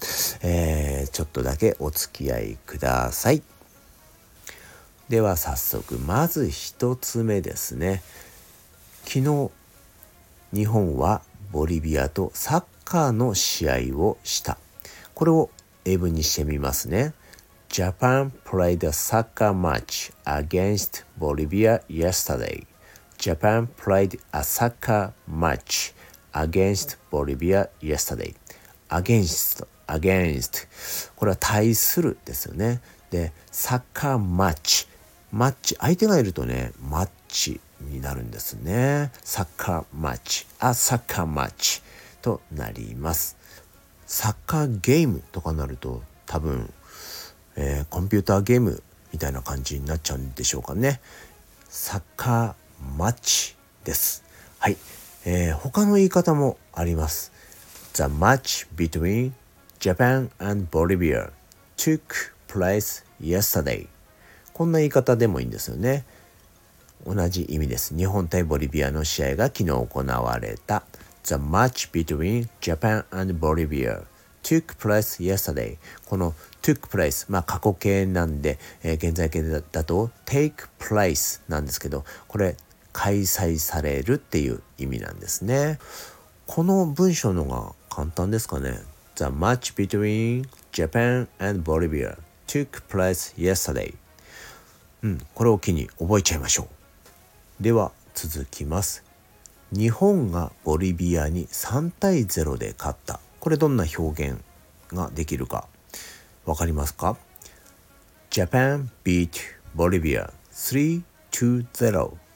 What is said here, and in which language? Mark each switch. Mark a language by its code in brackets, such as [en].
[ja] ちょっとだけお付き合いください。では早速、まず一つ目ですね。昨日日本はボリビアとサッカーの試合をした。これを英文にしてみますね。 [en] Japan played a soccer match against Bolivia yesterday. Japan played a soccer match against Bolivia yesterday. [ja] Against, against、 これは対するですよね。で、サッカーマッチ、マッチ、相手がいるとね、マッチになるんですね。サッカーマッチ、あ、サッカーマッチとなります。サッカーゲームとかなると多分、コンピューターゲームみたいな感じになっちゃうんでしょうかね。サッカーマッチです。はい、他の言い方もあります。 [en] The match between Japan and Bolivia took place yesterday [ja] こんな言い方でもいいんですよね。同じ意味です。日本対ボリビアの試合が昨日行われた。 [en] The match between Japan and Bolivia took place yesterday. [ja] この took place、まあ過去形なんで、現在形だと take place なんですけど、これ開催されるっていう意味なんですね。この文章の方が簡単ですかね。 [en] The match between Japan and Bolivia took place yesterday. [ja] これを機に覚えちゃいましょう。では続きます。日本がボリビアに3対0で勝った。これどんな表現ができるかわかりますか？ [en] Japan beat Bolivia 3-0。